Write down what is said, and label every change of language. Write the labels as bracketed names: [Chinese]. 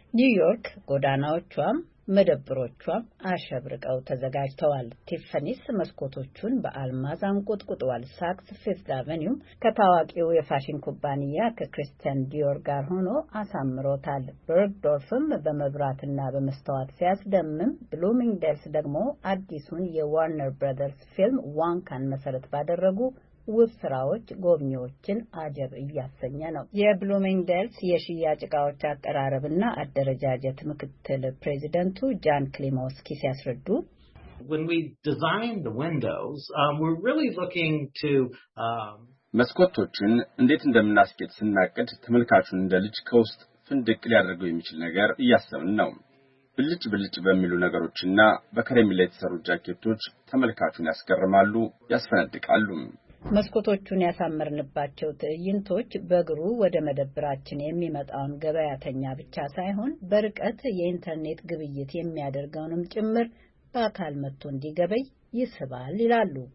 [Amharic] ኒውዮርክ ጎዳናዎቿም መደብሮቿም አሸብርቀው ተዘጋጅተዋል። ቲፈኒስ መስኮቶቹን በአልማዝ አንቆጥቁጧል። ሳክስ ፊፍዝ አቨኒው ከታዋቂው የፋሽን ኩባንያ ከክርስቲያን ዲዮር ጋር ሆኖ አሳምሮታል። በርግዶርፍም በመብራትና በመስተዋት ሲያስደምም፣ ብሉሚንግደልስ ደግሞ አዲሱን የዋርነር ብራዘርስ ፊልም ዋንካን መሰረት ባደረጉ ውብ ስራዎች ጎብኚዎችን አጀብ እያሰኘ ነው። የብሉሚንግደልስ የሽያጭ እቃዎች አቀራረብና አደረጃጀት ምክትል ፕሬዚደንቱ ጃን ክሊሞስኪ ሲያስረዱ [English] When we design the windows, we're really looking to [Amharic] መስኮቶችን እንዴት እንደምናስቀጥ ስናቀድ ተመልካቹን እንደ ልጅ ከውስጥ ፍንድቅ ሊያደርገው የሚችል ነገር እያሰብን ነው። ብልጭ ብልጭ በሚሉ ነገሮችና በክሬሚላ የተሰሩ ጃኬቶች ተመልካቹን ያስገርማሉ፣ ያስፈነድቃሉ። መስኮቶቹን ያሳመርንባቸው ትዕይንቶች በግሩ ወደ መደብራችን የሚመጣውን ገበያተኛ ብቻ ሳይሆን በርቀት የኢንተርኔት ግብይት የሚያደርገውንም ጭምር በአካል መጥቶ እንዲገበይ ይስባል ይላሉ።